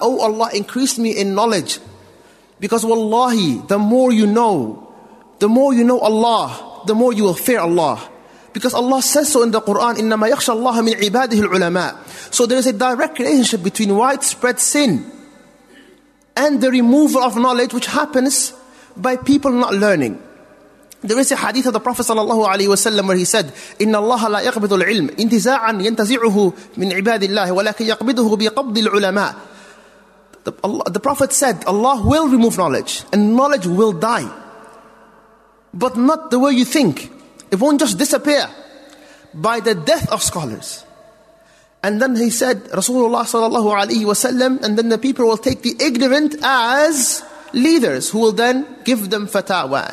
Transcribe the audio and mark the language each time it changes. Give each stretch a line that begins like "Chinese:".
English: Oh Allah, increase me in knowledge. Because wallahi, the more you know, the more you know Allah, the more you will fear Allah. Because Allah says so in the Quran,
Arabic: إِنَّمَا يَخْشَى اللَّهَ مِنْ عِبَادِهِ الْعُلَمَاءِ.
English: So there is a direct relationship between widespread sin and the removal of knowledge, which happens by people not learning. There is a hadith of the Prophet sallallahu alaihi wasallam where he said,
Arabic: إِنَّ اللَّهَ لَا يَقْبِضُ الْعِلْمِ إِنْتِزَاعًا يَنْتَزِعُهُ مِنْ عِبَادِ اللَّهِ وَلَكِنْ يَقْبِضُهُ بِقَبْضِ الْعُلَمَاءِ.
English: The Prophet said, Allah will remove knowledge and knowledge will die. But not the way you think. It won't just disappear by the death of scholars. And then he said, Rasulullah sallallahu alayhi wa sallam, and then the people will take the ignorant as leaders who will then give them fatwa.